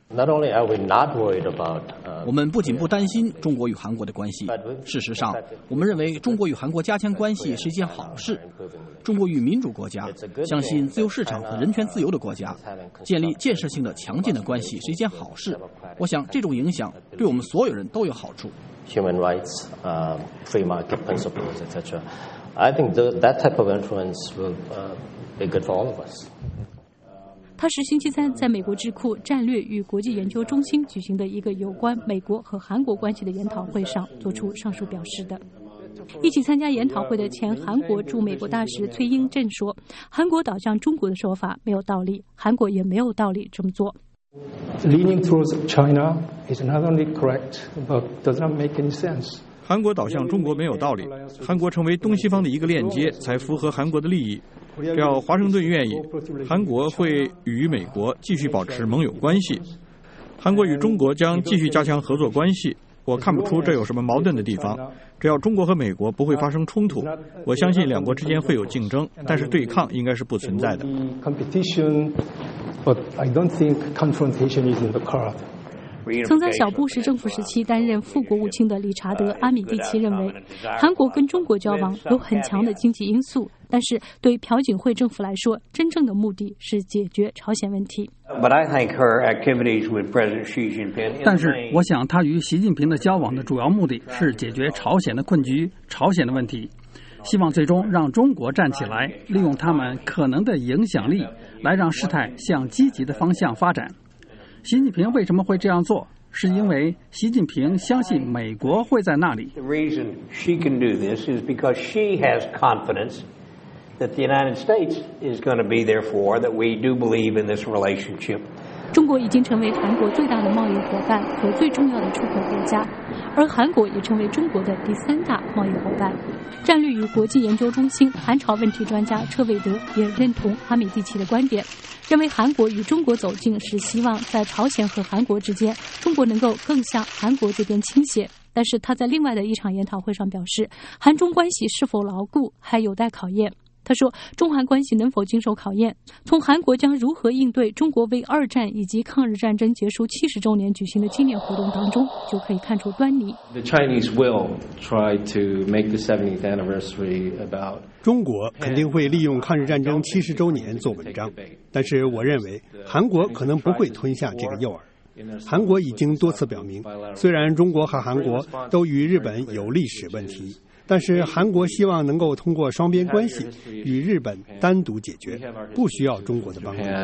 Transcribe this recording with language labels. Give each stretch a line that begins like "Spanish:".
Chinese: 我们不仅不担心中国与韩国的关系，事实上我们认为中国与韩国加强关系是一件好事。中国与民主国家、相信自由市场和人权自由的国家建立建设性的强劲的关系是一件好事，我想这种影响对我们所有人都有好处。
English: Human rights, free market principles, etc. I think that type of influence will be good for all of us.
Chinese: 他是星期三在美国智库战略与国际研究中心举行的一个有关美国和韩国关系的研讨会上做出上述表示的。一起参加研讨会的前韩国驻美国大使崔英镇说，韩国倒向中国的说法没有道理，韩国也没有道理这么做。
English: Leaning towards China is not only correct, but does not make any sense.
Chinese: 韩国倒向中国没有道理，韩国成为东西方的一个链接才符合韩国的利益。只要华盛顿愿意，韩国会与美国继续保持盟友关系，韩国与中国将继续加强合作关系。我看不出这有什么矛盾的地方。只要中国和美国不会发生冲突，我相信两国之间会有竞争，但是对抗应该是不存在的。
English: But I don't think confrontation is in the card.
Chinese: 曾在小布什政府时期担任副国务卿的理查德·阿米蒂奇认为，韩国跟中国交往有很强的经济因素，但是对朴槿惠政府来说，真正的目的是解决朝鲜问题。
English: But I think her activities with President Xi Jinping.
Chinese: 但是我想她与习近平的交往的主要目的是解决朝鲜的困局、朝鲜的问题。希望最终让中国站起来，利用他们可能的影响力来让事态向积极的方向发展。习近平为什么会这样做？是因为习近平相信美国会在那里。
English: The reason she can do this is because she has confidence that the United States is going to be there for, that we do believe in this relationship.
Chinese: 中国已经成为韩国最大的贸易伙伴和最重要的出口国家，而韩国也成为中国的第三大贸易伙伴。战略与国际研究中心韩朝问题专家车伟德也认同阿米蒂奇的观点，认为韩国与中国走近是希望在朝鲜和韩国之间，中国能够更向韩国这边倾斜。但是他在另外的一场研讨会上表示，韩中关系是否牢固还有待考验。他说，中韩关系能否经受考验，从韩国将如何应对中国为二战以及抗日战争结束70周年举行的纪念活动当中就可以看出端倪。
English: The Chinese will try to make the 70th anniversary about...
Chinese: 中国肯定会利用抗日战争70周年做文章，但是我认为韩国可能不会吞下这个诱饵。韩国已经多次表明，虽然中国和韩国都与日本有历史问题，但是韩国希望能够通过双边关系与日本单独解决，不需要中国的帮助。